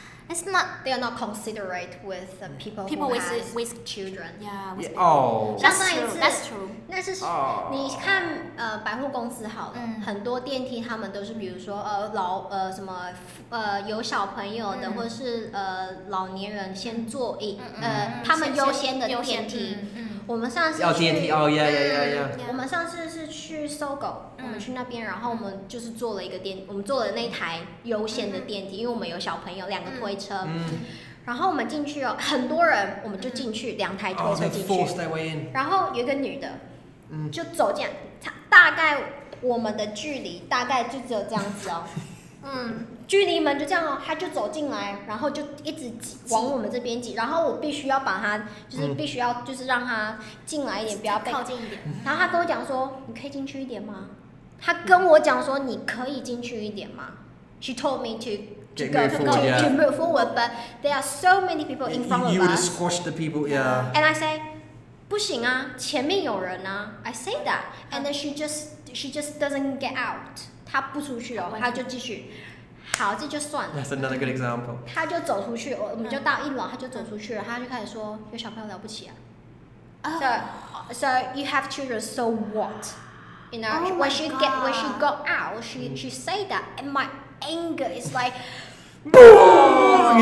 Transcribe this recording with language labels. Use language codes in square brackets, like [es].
[en] It's not, they are not considerate with people who has with children. Yeah, with people. Oh, that's true. That's true. [zh] 那是、 [en] oh. [zh] 你看百货公司好了、很多电梯他们都是比如说老什么有小朋友的、或是老年人先坐一他们优先的电梯。我们上次要电梯哦 ，yeah。我们上次是去搜狗，我们去那边，然后我们就是坐了一个电梯，我们坐了那台优先的电梯，因为我们有小朋友，两个推车。然后我们进去哦，很多人，我们就进去两台推车进去。 [en] Force their way in。 [zh] 然后有一个女的，就走这样，大概我们的距离大概就只有这样子哦。距离门就这样哦，他就走进来，然后就一直挤往我们这边挤，然后我必须要把他，就是必须要就是让他进来一点，不要被靠近一点。然后他跟我讲说，你可以进去一点吗？他跟我讲说，你可以进去一点吗 ？ [en] She told me to move forward, but there are so many people in front of us. You would have squashed the people, yeah. And I say, [zh] 不行啊，前面有人啊。 [en] I say that, and then she just doesn't get out. [zh] 她不出去哦，她就继续。好，这就算了。 [en] That's another good example. [zh] 他就走出去，我们就到一楼，他就走出去了。他就开始说：“有小朋友了不起啊。” [en] So you have children, so what? You know,、 oh、 when she got out, she say that, and my anger is like, boom.